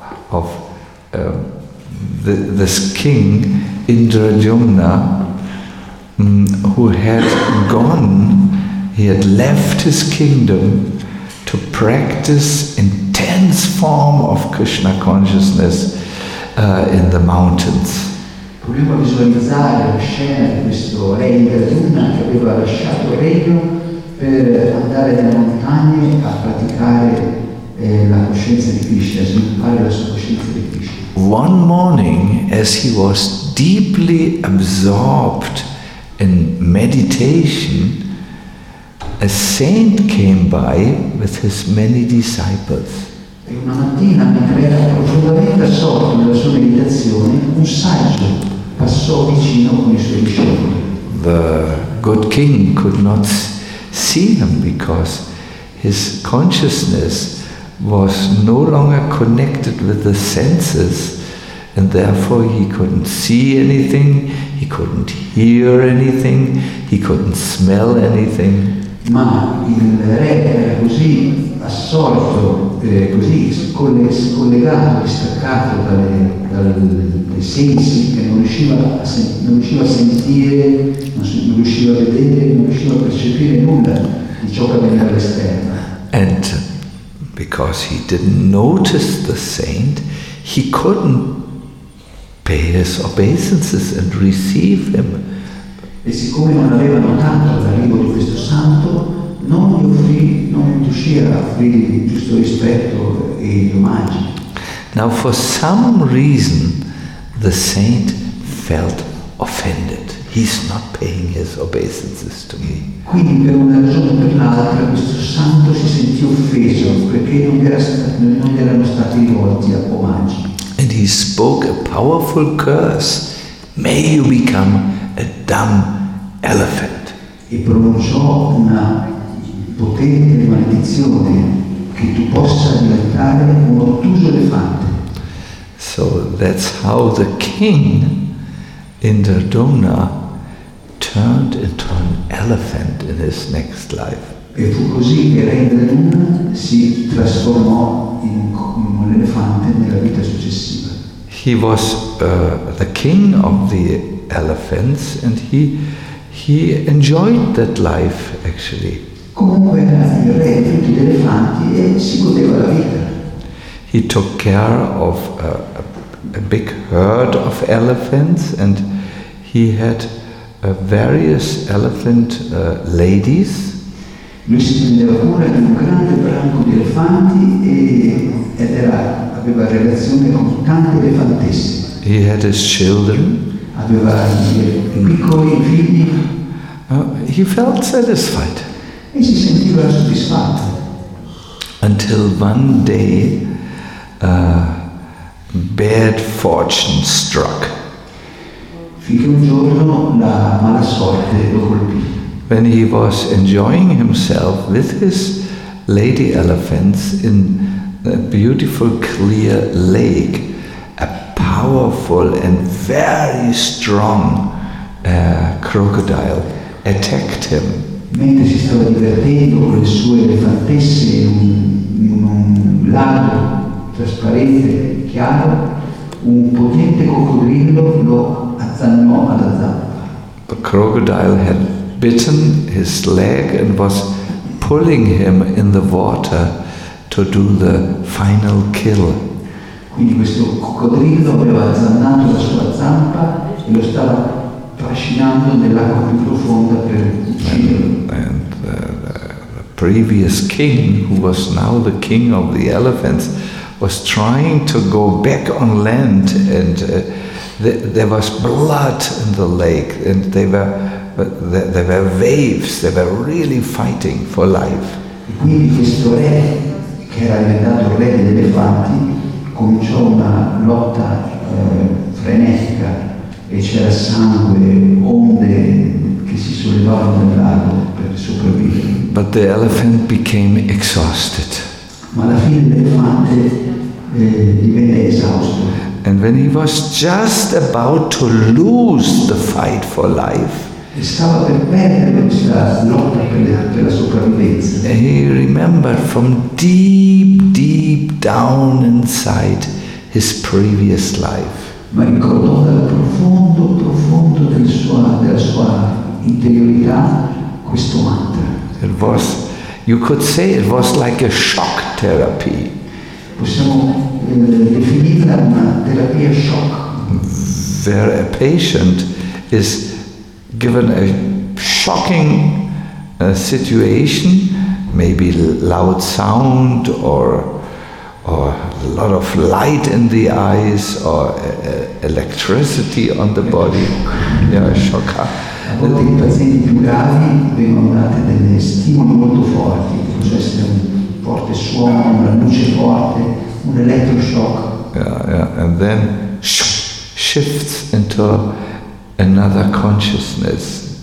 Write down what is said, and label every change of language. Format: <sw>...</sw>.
<en>of this king Indrajumna, who had gone, he had left his kingdom to practice intense form of Krishna consciousness in the mountains.</en> <it>Vogliamo visualizzare la scena di questo re Indrajumna che aveva lasciato il regno per andare nelle montagne a praticare la coscienza di Krishna, sviluppare la sua coscienza di Krishna.</it> <en>One morning, as he was deeply absorbed in meditation, a saint came by with his many disciples.</en> <it>E una mattina, mentre era profondamente assorto nella sua meditazione, un saggio passò vicino con i suoi discepoli.</it> <en>The good king could not see him because his consciousness was no longer connected with the senses, and therefore he couldn't see anything, he couldn't hear anything, he couldn't smell anything.</en> <it>Ma il re era così assorto, così scollegato, distaccato dai sensi, che non riusciva a sentire, non riusciva a vedere, non riusciva a percepire nulla di ciò che aveva all'esterno.</it> <en>And because he didn't notice the saint, he couldn't pay his obeisances and receive him.</en> <it>E siccome non aveva notato l'arrivo di questo santo, non riuscì a offrire il giusto rispetto e gli omaggi.</it> <en>Now for some reason the saint felt offended. He's not paying his obeisances to me.</en> <it>Quindi per una ragione o per l'altra questo santo si sentì offeso perché non gli erano stati rivolti omaggi.</it> <en>And he spoke a powerful curse. May you become a dumb elephant.</en> <it>E pronunciò una potente maledizione, che tu possa diventare un ottuso elefante.</it> <en>So that's how the king in Dodona turned into an elephant in his next life.</en> <it>E fu così che re Dodona si trasformò in un elefante nella vita successiva.</it> <en>He was the king of the elephants, and he enjoyed that life actually.</en> <it>Comunque era il re di tutti gli elefanti e si godeva la vita.</it> <en>He took care of a big herd of elephants, and he had various elephant ladies.</en> <it>Lui si prendeva cura di un grande branco di elefanti aveva relazione con tante elefantesse.</it> <en>He had his children.</en> <it>Aveva piccoli figli.</it> <en>He felt satisfied.</en> <it>E si sentiva soddisfatto.</it> <en>Until one day bad fortune struck.</en> <it>Finché un giorno la mala sorte lo colpì.</it> <en>When he was enjoying himself with his lady elephants in a beautiful clear lake, a powerful and very strong crocodile attacked him.</en> <it>Mentre si stava divertendo con le sue elefantesse in un lago trasparente, chiaro, un potente coccodrillo lo azzannò alla zampa.</it> <en>The crocodile had bitten his leg and was pulling him in the water to do the final kill.</en> <it>Quindi questo coccodrillo aveva azzannato la sua zampa e lo stava trascinando nell'acqua più profonda per ucciderlo.</it> <en>And the previous king, who was now the king of the elephants, was trying to go back on land, and there was blood in the lake, and there were waves, they were really fighting for life.</en> <it>E quindi questo re, che era diventato re degli elefanti, cominciò una lotta frenetica, e c'era sangue, onde che si sollevavano nel lago per sopravvivere.</it> <en>But the elephant became exhausted.</en> <it>Ma alla fine l'elefante divenne esausto.</it> <en>And when he was just about to lose the fight for life,</en> <it>e stava per perdere questa lotta per la sopravvivenza,</it> <en>he remembered from deep down inside his previous life.</en> <it>Ma ricordò dal profondo della sua interiorità questo mantra.</it> <en>It was, you could say it was like a shock therapy.</en> <it>Possiamo definirla una terapia shock.</it> <en>Where a patient is given a shocking situation, maybe loud sound or a lot of light in the eyes or electricity on the body. Yeah, shocker.</en> <it>A volte i pazienti più gravi vengono date delle stimoli molto forti, può essere un forte suono, una luce forte, un electroshock.</it> <en>And then shifts into another consciousness.</en>